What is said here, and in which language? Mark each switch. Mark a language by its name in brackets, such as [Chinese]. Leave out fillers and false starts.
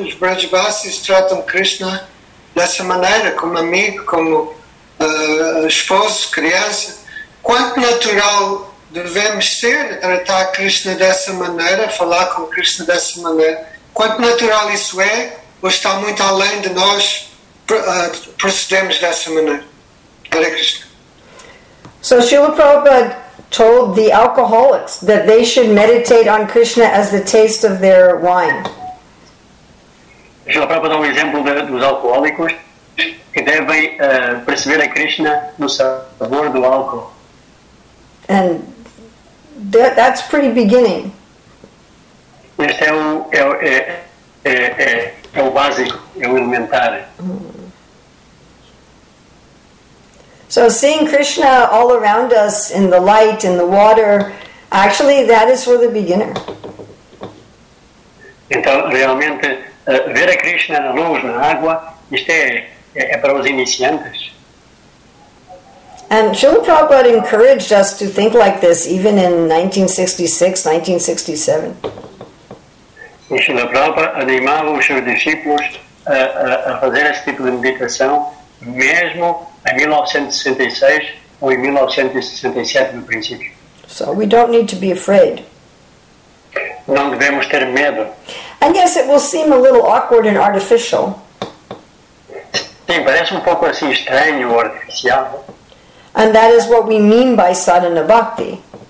[Portuguese] Os Brajavasis tratam Cristo dessa maneira, como amigo, como esposo, criança. Quanto natural devemos ser, tratar Krishna dessa maneira, falar com Krishna dessa maneira. Quanto natural isso é, ou está muito além de nós, procedemos dessa maneira. [Sanskrit] Hare Krishna. [English] So Srila Prabhupada told the alcoholics that they should meditate on Krishna as the taste of their wine. [Portuguese] Srila Prabhupada dá um exemplo dos alcoólicos que devem perceber a Krishna no sabor do álcool. [English] And that's pretty beginning. [Portuguese] Esse é o básico, é o elementar. [English] So seeing Krishna all around us in the light, in the water, actually that is for the beginner. [Portuguese] Então, realmente, ver a Krishna na luz, na água, isto é para os iniciantes. [English] And Srila Prabhupada encouraged us to think like this even in 1966, 1967. [Portuguese] Srila Prabhupada animava os seus discípulos a fazer esse tipo de meditação mesmo em 1966 ou em 1967 no princípio. [English] So we don't need to be afraid. [Portuguese] Não devemos ter medo. [English] And yes, it will seem a little awkward and artificial. [Portuguese] Sim, parece um pouco assim estranho ou artificial. [English] And that is what we mean by sadhana bhakti.